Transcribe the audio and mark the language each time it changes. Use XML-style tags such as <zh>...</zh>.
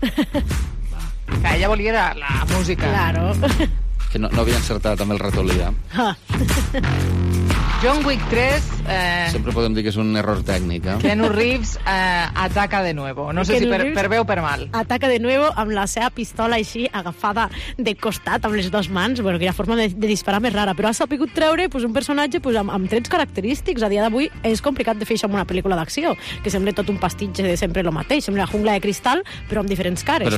<ca>Que ella volia la música. Claro. Que no havia encertat amb el ratolí. John Wick 3... Sempre podem dir que és un error tècnic.</ca> <es>Keanu Reeves ataca de nuevo.</es> <ca>No sé si per bé o per mal.</ca> <es>Ataca de nuevo</es> <ca>amb la seva pistola així agafada de costat amb les dues mans. Bueno, quina forma de disparar més rara. Però ha sabut treure un personatge amb trets característics. A dia d'avui és complicat de fer això en una pel·lícula d'acció, que sembla tot un pastitge de sempre el mateix. Sembla la jungla de cristal, però amb diferents cares.</ca>